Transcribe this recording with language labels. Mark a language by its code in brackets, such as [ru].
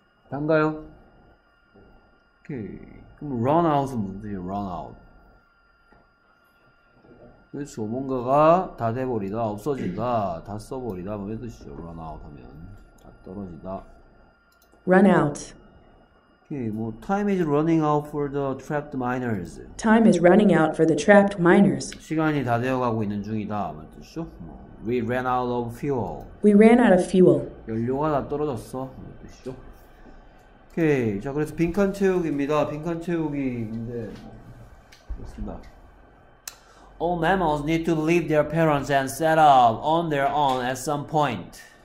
[ko] 단가요? 오케이. 그럼 run out은 뭔지, run out. 그렇죠. 뭔가가 다 돼버리다, 없어진다, 다 써버리다, 뭐 이런 뜻이죠. run out 하면 다 떨어지다. [en] Run out. [ko] 오케이. [en] 뭐 time is running out for the trapped miners. Time is running out for the trapped miners. [ko] 시간이 다 되어가고 있는 중이다, 뭐 뜻이죠. [en] 뭐, we ran out of fuel. We ran out of fuel. [ko] 연료가 다 떨어졌어, 뭐 뜻이죠. 오케이. 자, 그래서 빈칸 채우기입니다. 빈칸 채우기인데, 그렇습니다. [en] All mammals need to leave their parents and set off on their own at some point.